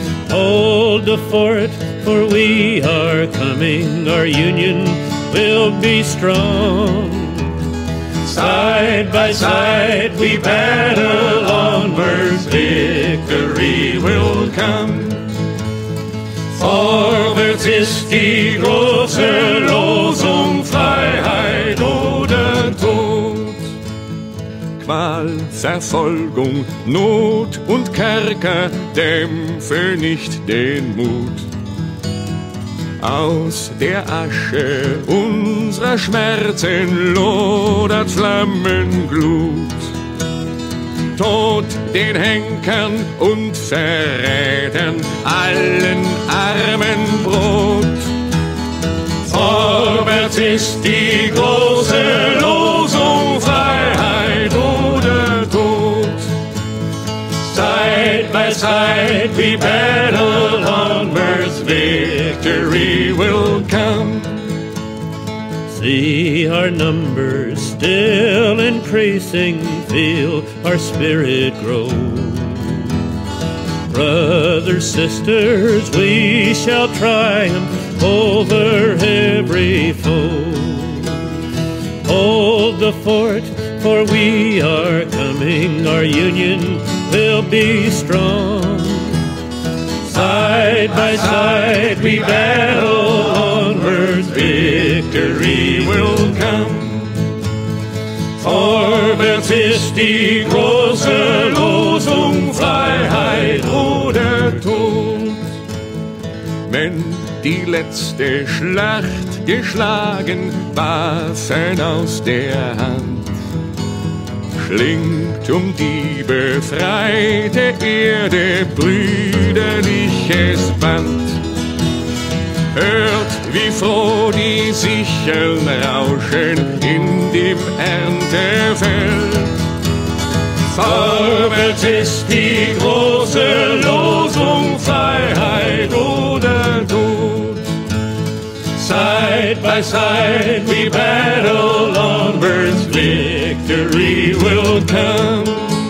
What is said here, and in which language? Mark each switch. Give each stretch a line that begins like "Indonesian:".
English: Hold the fort, for we are coming, our union will be strong. Side by side we battle onwards, victory will come.
German: Vorwärts ist die große Losung, Freiheit oder Tod. Qual, Verfolgung, Not und Kerker dämpfe nicht den Mut. Aus der Asche unserer Schmerzen lodert Flammenglut. Tod den Henkern und Verrätern, allen Armen Brot. Vorwärts ist die große Losung, Freiheit oder Tod.
English: Side by side we battle onwards, victory will come. See our numbers still increasing, feel our spirit grow. Brothers, sisters, we shall triumph over every foe. Hold the fort, for we are coming, our union will be strong. Side by side we battle onwards, victory will come.
German: Vorwärts ist die große Losung, Freiheit oder Tod. Wenn die letzte Schlacht geschlagen, Waffen aus der Hand, schlingt um die befreite Erde brüderliches Band. Hört, wie froh die Sicheln rauschen in dem Erntefeld. Vorwärts ist die große Losung, Freiheit oder Tod.
English: Side by side we battle onwards, victory will come.